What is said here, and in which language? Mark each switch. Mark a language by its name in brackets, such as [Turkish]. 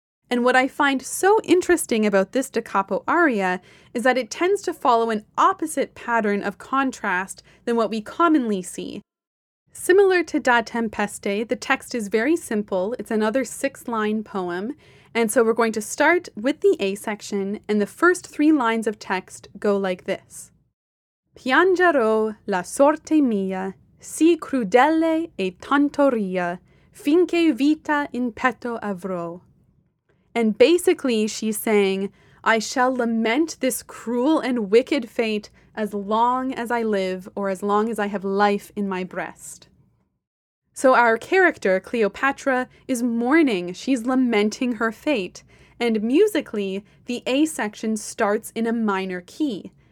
[English] And what I find so interesting about this da capo aria is that it tends to follow an opposite pattern of contrast than what we commonly see. Similar to Da Tempeste, the text is very simple. It's another six-line poem. And so we're going to start with the A section, and the first three lines of text go like this. [Italian] Piangerò la sorte mia, sì crudele e tanto ria, finché vita in petto avrò. [English] And basically, she's saying, I shall lament this cruel and wicked fate as long as I live, or as long as I have life in my breast. So our character, Cleopatra, is mourning. She's lamenting her fate. And musically, the A section starts in a minor key.